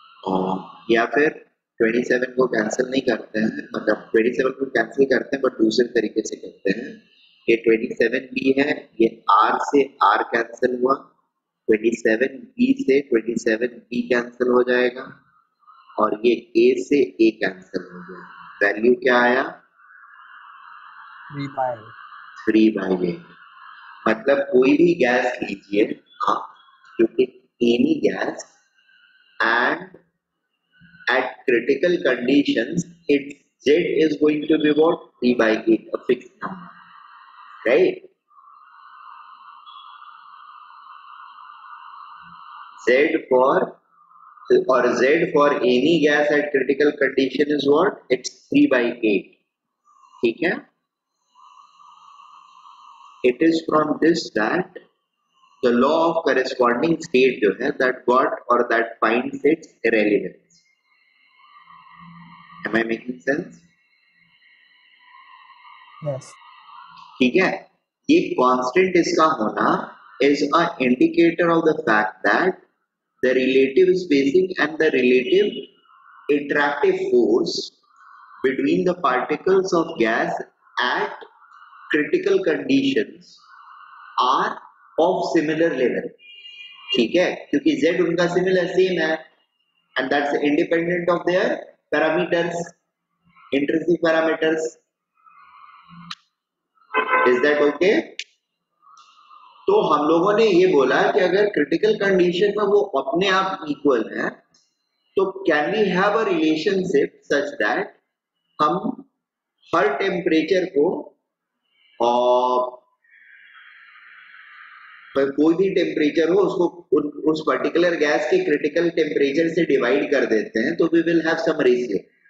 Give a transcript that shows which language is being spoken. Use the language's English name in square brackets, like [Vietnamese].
[Hindi] और या फिर 27 को कैंसिल नहीं करते हैं, मतलब 27 को कैंसिल करते हैं बट दूसरे तरीके से करते हैं, ये 27 बी है, ये R से R कैंसिल हुआ, 27 बी से 27 बी कैंसिल हो जाएगा और ये A से A कैंसिल हो गया, वैल्यू क्या आया [English] 3 by 8। [Hindi] मतलब कोई भी गैस लीजिए, हाँ, क्योंकि [English] Any gas and at critical conditions its z is going to be about 3 by 8, a fixed number, right? z for any gas at critical condition is what? It's 3 by 8, [Hindi] ठीक है? [English] It is from this that the law of corresponding state [Hindi] जो है, [English] that got or that finds its irrelevance. Am I making sense? Yes. [Hindi] ठीक है, ये constant इसका होना [English] is a indicator of the fact that the relative spacing and the relative attractive force between the particles of gas at critical conditions are of similar level. [Hindi] ठीक है, क्योंकि z उनका similar same है [English] and that's independent of their parameters, intrinsic parameters. Is that okay? [Hindi] तो हम लोगों ने ये बोला कि अगर critical condition में वो अपने आप equal है तो [English] can we have a relationship such that [Hindi] हम हर temperature को और कोई भी temperature हो उसको उस particular gas के critical temperature से divide कर देते हैं तो [English] we will have some ratio.